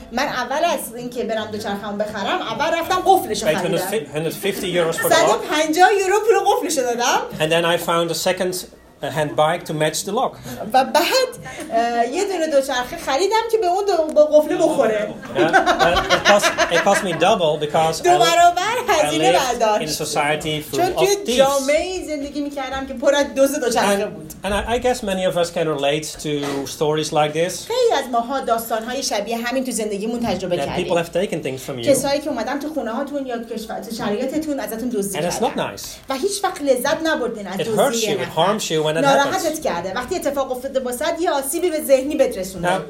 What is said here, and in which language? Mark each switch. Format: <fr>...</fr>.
<fa>من اول از اینکه برم دوچرخه‌ام بخرم، اول رفتم قفلش رو خریدم.</fa> <en>150 euros for the lock.</en> <fa>150 یورو پول قفلش دادم.</fa> <en>And then I found a second hand bike to match the lock.</en> <fa>و بعد یه دونه دوچرخه خریدم که به اون با قفله بخوره.</fa> <en>It cost me double because</en> <fa>دو برابر هزینه برداشت.</fa> <en>In a society full of thieves.</en> <fa>چون جامعه زندگی میکردم که پر از دوز دوچرخه بود.</fa> <en>And I guess many of us can relate to stories like this.</en> <fa>خیلی از ماها داستان‌های شبیه همین تو زندگیمون تجربه کردیم.</fa> <en>People have taken things from you.</en> <fa>کسایی که اومدن تو خونه‌هاتون یا شرایطتون ازتون دزدی کردن.</fa> <en>And it's not nice.</en> <fa>و هیچ وقت لذت نبردین از دزدی.</fa> <en>It harms you.</en> <fa>ناراحتت کرده وقتی اتفاق افتاده باشد یه آسیبی به ذهنی بدرسونه.</fa>